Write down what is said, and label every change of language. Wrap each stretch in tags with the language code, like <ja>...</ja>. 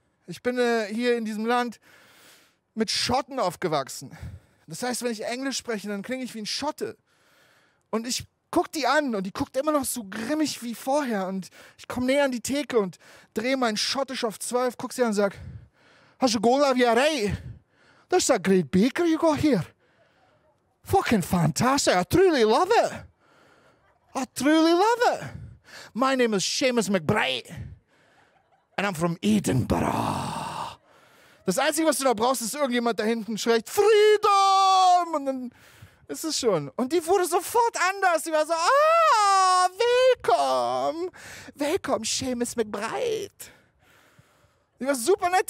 <de>Ich bin hier in diesem Land mit Schotten aufgewachsen. Das heißt, wenn ich Englisch spreche, dann klinge ich wie ein Schotte. Und ich guckt die an und die guckt immer noch so grimmig wie vorher. Und ich komme näher an die Theke und drehe meinen Schottisch auf 12, guck sie an und sag: Hast du Gola Viarei?</de> <en>That's a great baker you got here. Fucking fantastic. I truly love it. I truly love it. My name is Seamus McBride. And I'm from Edinburgh.</en> <de>Das Einzige, was du noch brauchst, ist irgendjemand da hinten schreit: Freedom! Und dann ist es schon. Und die wurde sofort anders. Die war so: Ah, willkommen. Willkommen, Seamus McBride. Die war super nett.</de>